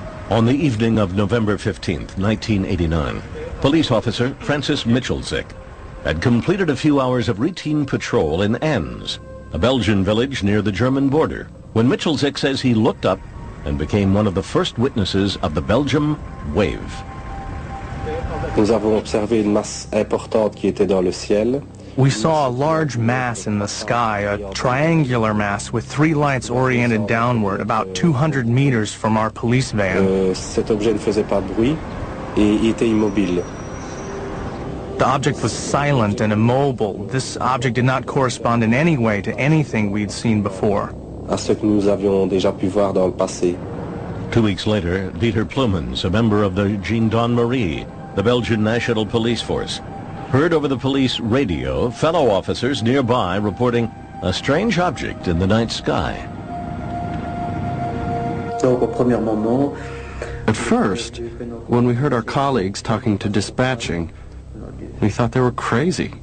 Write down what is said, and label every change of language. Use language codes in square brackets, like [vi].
[en] On the evening of November 15th, 1989, police officer Francis Michelczyk had completed a few hours of routine patrol in Enns, a Belgian village near the German border, when Mitchell-Zick says he looked up and became one of the first witnesses of the Belgium wave. [fr] Nous avons observé une masse importante qui était dans le ciel. [en] We saw a large mass in the sky, a triangular mass with three lights oriented downward, about 200 meters from our police van. [fr] Cet objet ne faisait pas bruit et était immobile. [en] The object was silent and immobile. This object did not correspond in any way to anything we'd seen before. [fr] À ce que nous avions déjà pu voir dans le passé. [en] 2 weeks later, Dieter Plumans, a member of the Gendarmerie, the Belgian National Police Force, heard over the police radio fellow officers nearby reporting a strange object in the night sky. At first, when we heard our colleagues talking to dispatching, we thought they were crazy.